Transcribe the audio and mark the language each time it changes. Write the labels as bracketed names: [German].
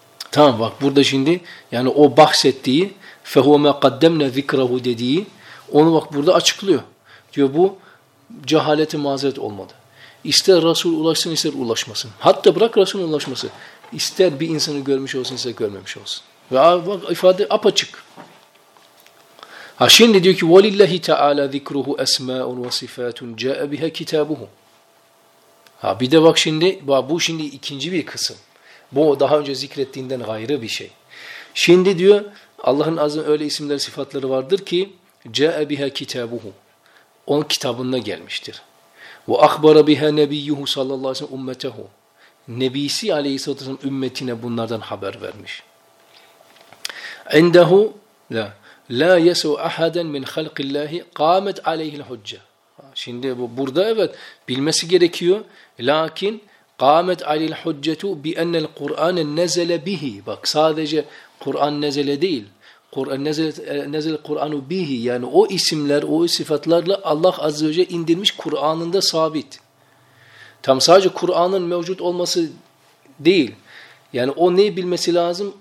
[Turkish] Tamam, bak burada şimdi, yani o bahsettiği, [Arabic] فَهُوَ مَا قَدَّمْنَا ذِكْرَهُ [Turkish] dediği, onu bak burada açıklıyor. Diyor bu cehaleti mazeret olmadı. İster Resul ulaşsın, ister ulaşmasın. Hatta bırak Resul ulaşması. İster bir insanı görmüş olsun, ister görmemiş olsun. Ve bak ifade apaçık. Ha şimdi diyor ki [Arabic] وَلِلَّهِ تَعَالَى ذِكْرُهُ أَسْمَاءٌ وَصِفَاتٌ جَاءَ بِهَا كِتَابُهُ. [Turkish] Ha bir de bak şimdi, bu şimdi ikinci bir kısım. Bu daha önce zikrettiğinden gayrı bir şey. Şimdi diyor Allah'ın azim öyle isimler sıfatları vardır ki [Arabic] جَاءَ بِهَا كِتَابُهُ. [Turkish] Onun kitabında gelmiştir. [Arabic] وَأَخْبَرَ بِهَا نَبِيُّهُ صَلَّى اللّٰهِ سَلَّمْ اُمَّتَهُ. [Turkish] Nebisi aleyhisselatü vesselam ümmetine bunlardan haber vermiş. [Arabic] عِنْدَهُ لَا لَا يَسُوْ أَحَدًا مِنْ خَلْقِ اللّٰهِ قَامَتْ عَلَيْهِ الْحُجَّةِ. [Turkish] Şimdi burada evet bilmesi gerekiyor. [Arabic] Lakin قَامَتْ عَلَيْهِ الْحُجَّةُ بِأَنَّ الْقُرْآنَ نَزَلَ بِهِ. [Turkish] Bak sadece Kur'an nezele değil. Nezel Kur'anu bihi. Yani o isimler, o sıfatlarla Allah Azze ve Celle indirmiş Kur'an'ında sabit. Tam sadece Kur'an'ın mevcut olması değil. Yani o neyi bilmesi lazım?